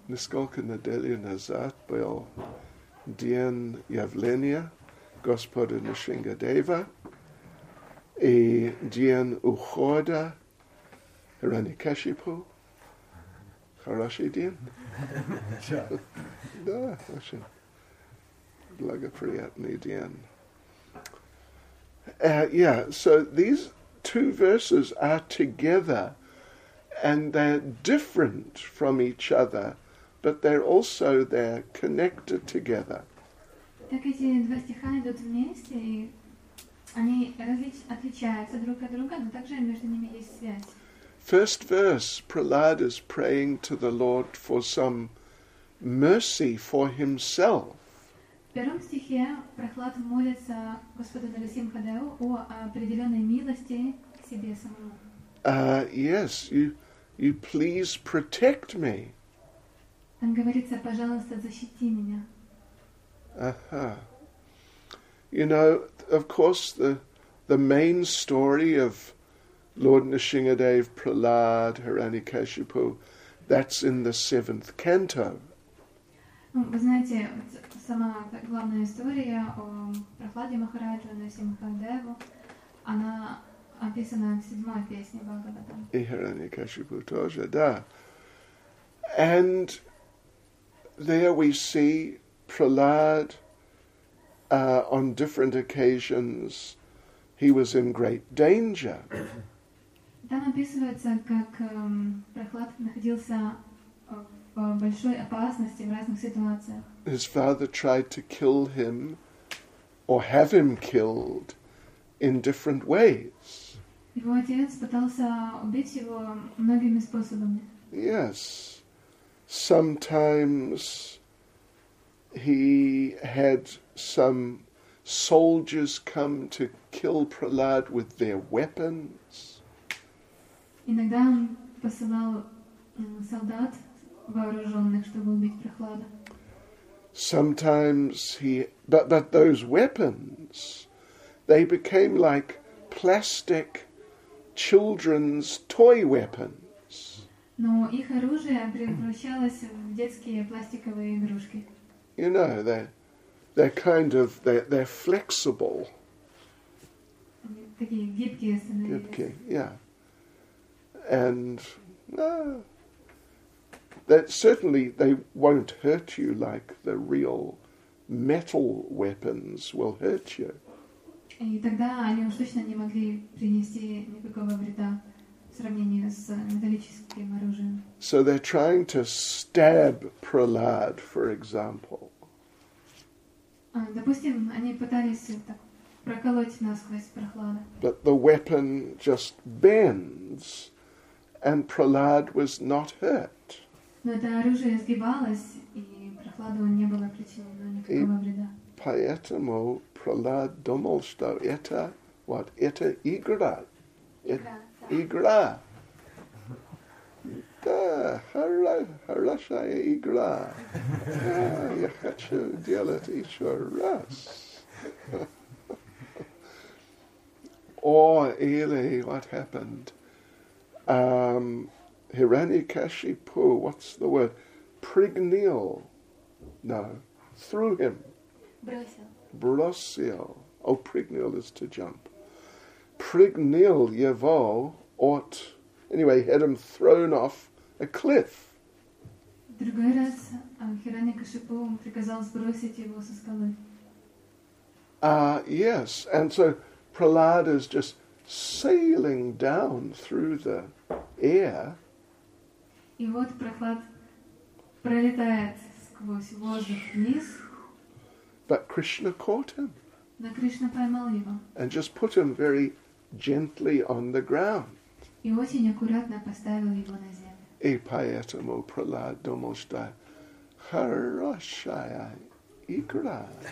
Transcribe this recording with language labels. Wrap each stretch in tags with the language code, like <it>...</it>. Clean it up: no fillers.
<ru>Несколько недель назад был день явления Господа Нрисимхадева и день ухода Рани Кашипу. Хороший день. Да, очень благоприятный день.</ru> <en>Yeah, so these two verses are together and they're different from each other, but they're also, they're connected together.</en> <ru>Так эти два стиха идут вместе, и они отличаются друг от друга, но также между ними есть связь.</ru> <en>first verse, Prahlad is praying to the Lord for some mercy for himself.</en> <ru>В первом стихе Прохлад молится Господу Нарасимхадеву о определенной милости к себе самому.</ru> <en>Yes, you please protect me.</en> <ru>Он говорится, пожалуйста, защити меня. Ага.</ru> <en>You know, of course, the main story of Lord Nrisimhadev, Prahlad, Hiranyakashipu, that's in the seventh canto.</en> <ru>Вы знаете, сама главная история о Прахладе Махараджу, Нарасимхадеву, она описана в седьмой песне Бхагаватам. И Хираньякашипу тоже, да.</ru> <en>And there we see Prahlad on different occasions, he was in great danger.</en> <ru>Там описывается, как Прахлад находился в большой опасности в разных ситуациях.</ru> <en>His father tried to kill him or have him killed in different ways.</en> <ru>Его отец пытался убить его многими способами.</ru> <en>Yes. Sometimes he had some soldiers come to kill Prahlad with their weapons.</en> <ru>Иногда он посылал солдат вооруженных, чтобы убить Прахлада.</ru> <en>Sometimes he, but those weapons, they became like plastic children's toy weapons.</en> <ru>Но их оружие превращалось в детские пластиковые игрушки.</ru> <en>You know, they're flexible.</en> <ru>Такие гибкие становились. Гибкие, yeah.</ru> <en>And, that certainly they won't hurt you like the real metal weapons will hurt you.</en> <ru>И тогда они уж точно не могли принести никакого вреда в сравнении с металлическим оружием.</ru> <en>So they're trying to stab Prahlad, for example.</en> <ru>Допустим, они пытались так проколоть насквозь Прахлада.</ru> <en>But the weapon just bends, and Prahlad was not hurt.</en> <ru>Но это оружие сгибалось, и Прахладу не было причинено никакого вреда. Поэтому Прахлад думал, что это, вот, это игра. Игра. Да, хорошая игра. Да, я хочу делать еще раз. О, или,</ru> <en>what happened? Hiranyakashipu, what's the word? Prignil. No, threw him.</en> <ru>Brosil.</ru> <en>Oh, prignil is to jump.</en> <ru>Prignil yevo ought.</ru> <en>Anyway, he had him thrown off a cliff.</en> <ru>Другой раз Hiranyakashipu приказал сбросить его со скалы.</ru> <en>Yes, and so Prahlad is just sailing down through the air.</en> <ru>И вот Прахлад пролетает сквозь воздух вниз.</ru> <en>But Krishna caught him.</en> <ru>Но Кришна поймал его.</ru> <en>And just put him very gently on the ground.</en> <ru>И очень аккуратно поставил его на землю. И поэтому Прахлад думал, что хорошая игра.</ru>